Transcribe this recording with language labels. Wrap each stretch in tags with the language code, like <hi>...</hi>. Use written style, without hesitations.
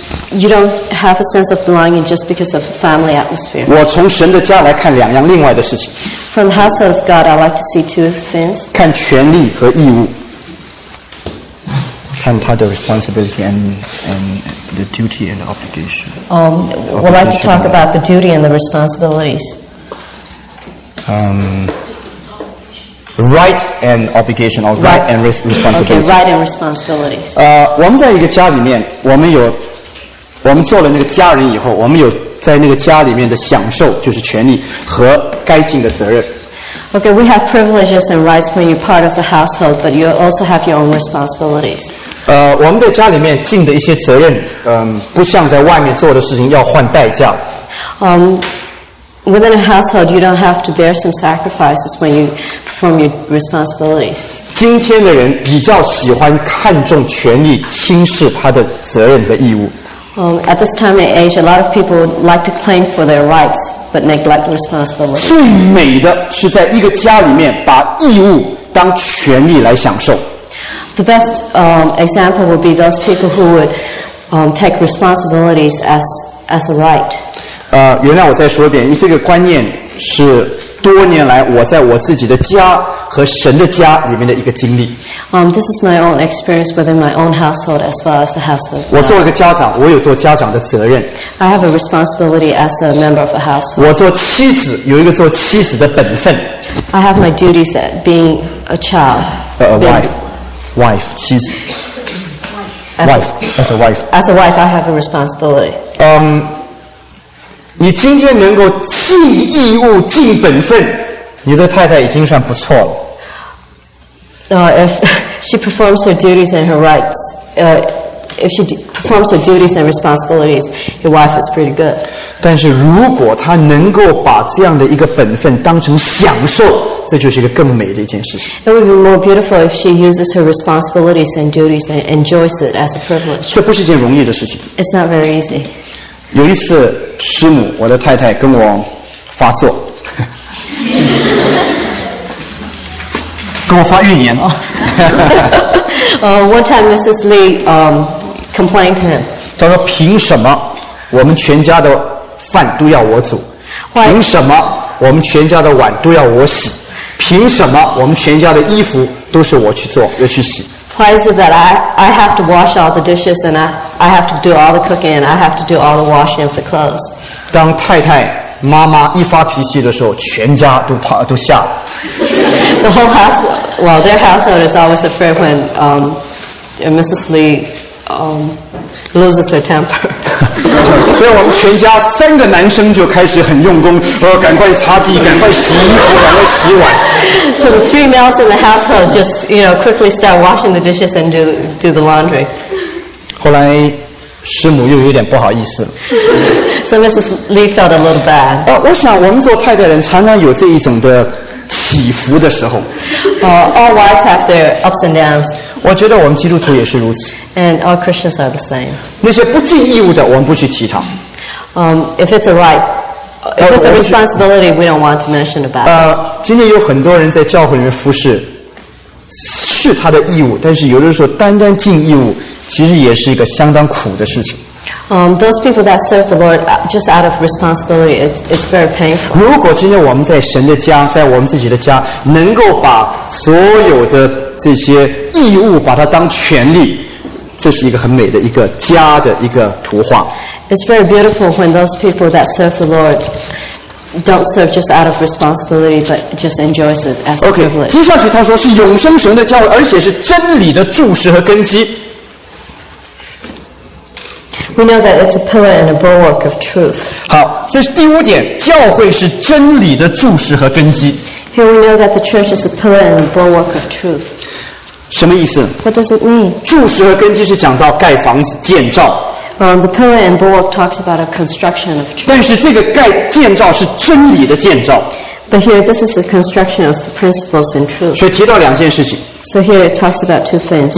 <en>You don't have a sense of belonging just because of family atmosphere.</en> <zh>我从神的家来看两样另外的事情。</zh> <en>From the household of God, I like to see two things.</en> <zh>看权利和义务。看他的</zh> <en>responsibility and the duty and obligation. We'd like to talk about the duty and the responsibilities. Right and obligation, or right and responsibility. Okay, right and responsibilities.</en> <zh>我们在一个家里面，我们做了那个家人以后，我们有在那个家里面的享受，就是权利和该尽的责任。</zh> <en>Okay, we have privileges and rights when you're part of the household, but you also have your own responsibilities.</en> <zh>我们在家里面尽的一些责任，不像在外面做的事情要换代价。</zh> <en>Within a household, you don't have to bear some sacrifices when you perform your responsibilities.</en> <zh>今天的人比较喜欢看重权利，轻视他的责任和义务。</zh> <en>At this time and age, a lot of people would like to claim for their rights, but neglect responsibility.</en> <zh>最美的是在一个家里面把义务当权利来享受。</zh> <en>The best example would be those people who would take responsibilities as a right.</en> <zh>原谅我再说一遍，这个观念是多年来我在我自己的家和神的家里面的一个经历。</zh> <en>This is my own experience within my own household as well as the household.</en> <zh>我作为一个家长，我有做家长的责任。</zh> <en>I have a responsibility as a member of the household.</en> <zh>我做妻子有一个做妻子的本分。</zh> <en>I have my duties at being a child. A wife,</en> <zh>妻子。</zh> <en>As a wife. As a wife, I have a responsibility.</en> <zh>你今天能够尽义务、尽本分，你的太太已经算不错了。</zh> <en>If she performs her duties and her rights, if she performs her duties and responsibilities, your wife is pretty good.</en> <zh>但是如果她能够把这样的一个本分当成享受，这就是一个更美的一件事情。</zh> <en>It would be more beautiful if she uses her responsibilities and duties and enjoys it as a privilege.</en> <zh>这不是一件容易的事情。</zh> <en>It's not very easy.</en> <zh>有一次，师母，我的太太跟我发作。跟我发怨言</zh> <en>one time Mrs. Lee complained to him.</en> <zh>他说凭什么我们全家的饭都要我煮，凭什么我们全家的碗都要我洗，凭什么我们全家的衣服都是我去做又去洗。</zh> <en>Why is it that I have to wash all the dishes and I have to do all the cooking and I have to do all the washing of the clothes?</en> <zh>当太太妈妈一发脾气的时候，全家都怕都吓了。</zh> <en>The whole house, well, their household is always afraid when Mrs. Lee loses her temper.</en> <zh>所以我们全家三个男生就开始很用功，赶快擦地，赶快洗衣服，赶快洗碗。</zh> <en>So the three males in the household just, you know, quickly start washing the dishes and do the laundry.</en> <zh>后来师母又有点不好意思了。</zh> <en>So Mrs. Lee felt a little bad.</en> <zh>我想我们做太太人常常有这一种的起伏的时候。</zh> <en>All wives have their ups and downs.</en> <zh>我觉得我们基督徒也是如此。</zh> <en>And all Christians are the same.</en> <zh>那些不尽义务的，我们不去提他。</zh> <en>If it's a right, if it's a responsibility, we don't want to mention about it.</en> <zh>今天有很多人在教会里面服侍。是他的义务，但是有的时候单单尽义务，其实也是一个相当苦的事情。</zh> <en>Those people that serve the Lord just out of responsibility, it's very painful.</en> <zh>如果今天我们在神的家，在我们自己的家，能够把所有的这些义务把它当权利，这是一个很美的一个家的一个图画。</zh> <en>It's very beautiful when those people that serve the Lord. Don't serve just out of responsibility, but just enjoys it as a privilege.</en> <zh>Okay, 接下去他说是永生神的教会，而且是真理的柱石和根基。</zh> <en>We know that it's a pillar and a bulwark of truth.</en> <zh>好，这是第五点，教会是真理的柱石和根基。</zh> <en>Here we know that the church is a pillar and a bulwark of truth.</en> <zh>什么意思？</zh> <en>What does it mean?</en> <zh>柱石和根基是讲到盖房子、建造。</zh> <en>The pillar and bulwark talks about a construction of truth.</en> <zh>但是这个盖建造是真理的建造。</zh> <en>But here, this is the construction of the principles in truth.</en> <zh>所以提到两件事情。</zh> <en>So here it talks about two things.</en>